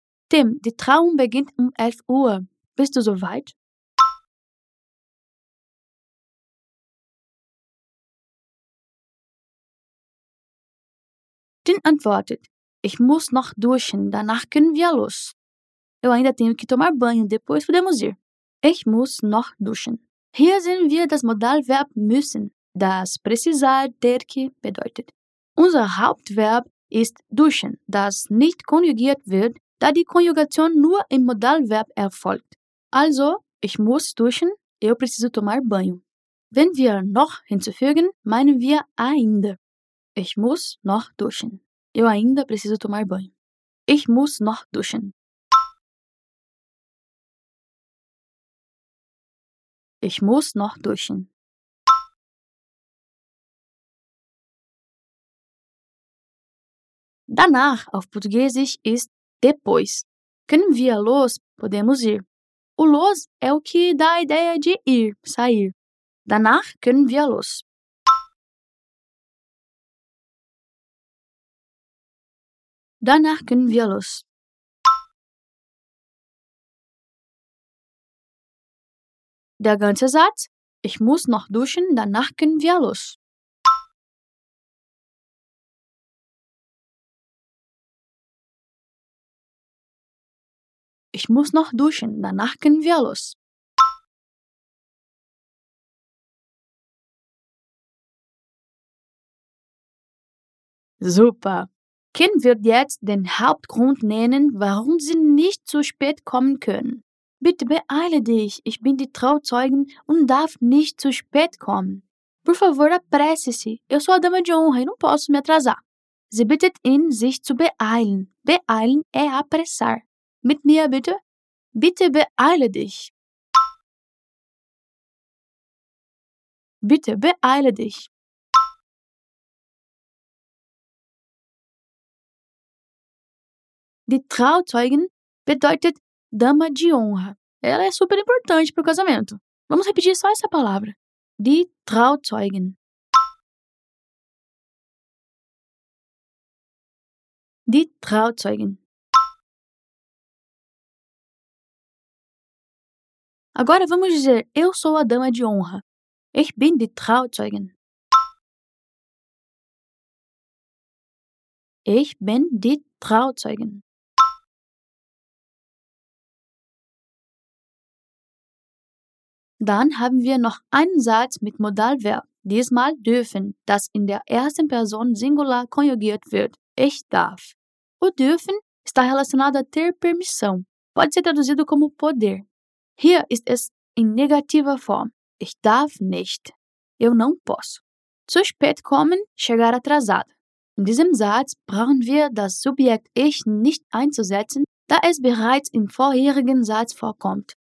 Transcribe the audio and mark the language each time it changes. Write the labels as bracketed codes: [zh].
[de] Tim, die Trauung beginnt um 11 Uhr. Bist du soweit? Tim antwortet, ich muss noch duschen, danach können wir los. [pt] Eu ainda tenho que tomar banho, depois podemos ir. [de] Ich muss noch duschen. Hier sehen wir das Modalverb müssen, das precisar, ter que bedeutet. Unser Hauptverb ist duschen, das nicht konjugiert wird, da die Konjugation nur im Modalverb erfolgt. Also, ich muss duschen, [pt] eu preciso tomar banho. [de] Wenn wir noch hinzufügen, meinen wir ainda. Ich muss noch duschen. [pt] Eu ainda preciso tomar banho. [de] Ich muss noch duschen. Ich muss noch duschen. Danach auf Portugiesisch ist depois. Können wir los, [pt] podemos ir. O los é o que dá a ideia de ir, sair. [de] Danach können wir los. Danach können wir los. Der ganze Satz, ich muss noch duschen, danach können wir los. Ich muss noch duschen, danach können wir los. Super! Kim wird jetzt den Hauptgrund nennen, warum sie nicht zu spät kommen können. Bitte beeile dich, ich bin die Trauzeugin und darf nicht zu spät kommen. [pt] Por favor, apresse-se. Eu sou a dama de honra e não posso me atrasar. [de] Sie bittet ihn, sich zu beeilen. Beeilen [pt] é apressar. [de] Mit mir bitte. Bitte beeile dich. Bitte beeile dich. Die Trauzeugin bedeutet Dama de honra. [pt] Ela é super importante pro casamento. Vamos repetir só essa palavra. [de] Die Trauzeugin. Die Trauzeugin. [pt] Agora vamos dizer, eu sou a dama de honra. [de] Ich bin die Trauzeugin. Ich bin die Trauzeugin. Dann haben wir noch einen Satz mit Modalverb. Diesmal dürfen, das in der ersten Person Singular konjugiert wird. Ich darf. [pt] O dürfen está relacionado a ter permissão. Pode ser traduzido como poder. [de] Hier ist es in negativer Form. Ich darf nicht. [pt] Eu não posso. [de] Zu spät kommen, [pt] chegar atrasado. [de] In diesem Satz brauchen wir das Subjekt ich nicht einzusetzen, da es bereits im vorherigen Satz vorkommt.